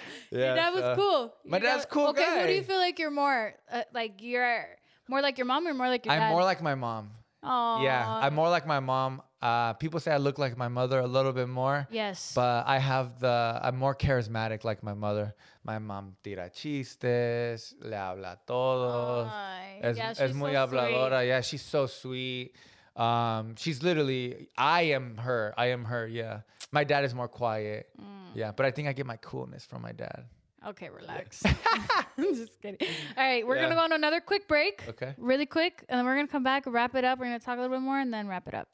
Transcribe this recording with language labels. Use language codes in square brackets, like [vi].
[en] Yeah, that was cool. My dad's cool guy. Okay, who do you feel like you're more like you're more like your mom or more like your dad? I'm more like my mom. Oh, yeah, I'm more like my mom. People say I look like my mother a little bit more. Yes. But I have I'm more charismatic like my mother. My mom [es] tira chistes, le habla a todos. Es muy habladora. [en] Yeah, she's so sweet. She's literally, I am her. Yeah. My dad is more quiet. Mm. Yeah, but I think I get my coolness from my dad. Okay, relax. I'm just kidding. All right, we're going to go on another quick break. Okay. Really quick, and then we're going to come back, wrap it up. We're going to talk a little bit more and then wrap it up.